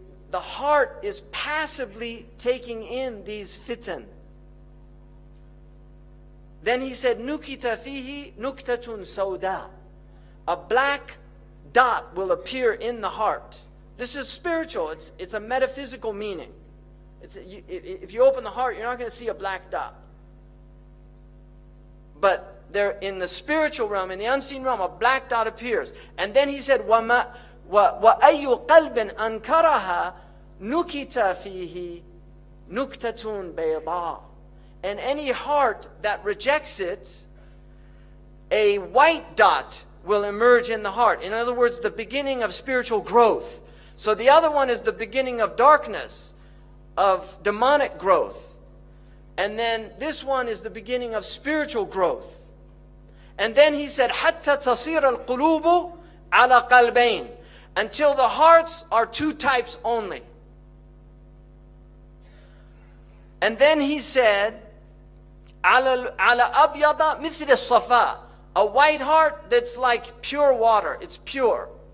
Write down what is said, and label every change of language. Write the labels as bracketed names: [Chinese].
[English] The heart is passively taking in these fitan. [Arabic] Then he said, نُكِتَ فِيهِ نُكْتَةٌ سَوْدَى. [English] A black dot will appear in the heart. This is spiritual. It's a metaphysical meaning. If you open the heart, you're not going to see a black dot. But there, in the spiritual realm, in the unseen realm, a black dot appears. [Arabic] And then he said, وَأَيُّ قَلْبٍ أَنْكَرَهَا نُكِتَ فِيهِ نُكْتَةٌ بَيْضَى. [English] And any heart that rejects it, a white dot will emerge in the heart. In other words, the beginning of spiritual growth. So the other one is the beginning of darkness, of demonic growth. And then this one is the beginning of spiritual growth. [Arabic] And then he said, حَتَّى تَصِيرَ الْقُلُوبُ عَلَى قَلْبَيْنِ. [English] Until the hearts are two types only. [Arabic] And then he said, عَلَى أَبْيَضَ مِثْلِ الصَّفَى. [English] A white heart that's like pure water. It's pure.